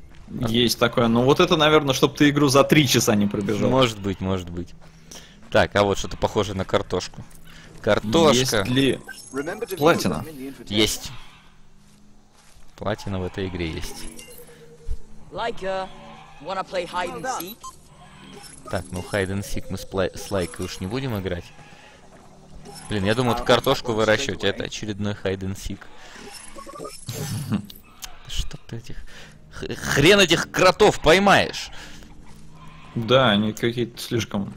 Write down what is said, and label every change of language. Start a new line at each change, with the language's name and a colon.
Russian: Есть такое. Ну вот это, наверное, чтобы ты игру за 3 часа не пробежал. Может быть, может быть. Так, а вот что-то похоже на картошку. Картошка. Есть ли платина? Есть. Платина в этой игре есть.
English: Лайка, wanna play hide and seek?
Russian: Так, ну
English: hide and seek
Russian: мы с Лайкой уж не будем играть. Блин, я думал, это картошку выращивать, а это очередной hide and seek. Что ты этих... Хрен этих кротов поймаешь. Да, они какие-то слишком...